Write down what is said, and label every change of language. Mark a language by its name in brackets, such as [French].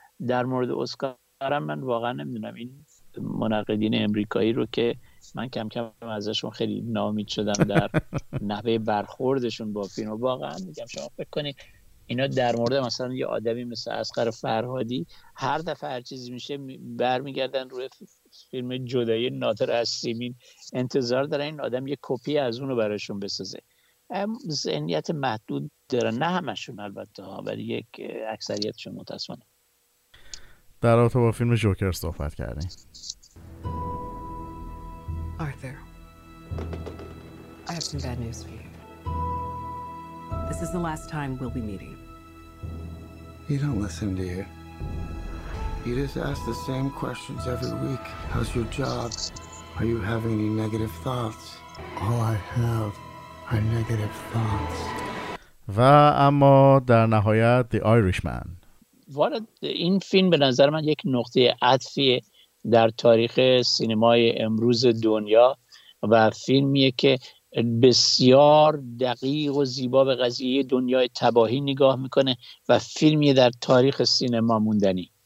[Persian] در مورد اسکار من واقعا نمیدونم، این منتقدین امریکایی رو که من کم کم ازشون خیلی ناامید شدم در نحوه برخوردشون با فیلم، و واقعا میگم شما فکر کنید اینا در مورد مثلا یه آدمی مثل اصغر فرهادی هر دفعه هر چیزی میشه برمیگردن روی فیلم جدایی نادر از سیمین، انتظار دارن این آدم یه کپی از اونو براشون بسازه. ذهنیت محدود دارن، نه همشون البته، ولی یک اکثریتشون متأسفانه. در رابطه با فیلم جوکر صحبت کردیم. [English] Arthur, I have some bad news for you. This is the last time we'll be meeting. You don't listen, do you? You just ask the same questions every week. How's your job? Are you having any negative thoughts? All I have are negative thoughts. [Persian] و اما در نهایت The Irishman. والا این فیلم به نظر من یک نقطه عطفیه در تاریخ سینمای امروز دنیا، و فیلمیه که بسیار دقیق و زیبا به قضیه دنیای تباهی نگاه میکنه، و فیلمی در تاریخ سینما موندنی.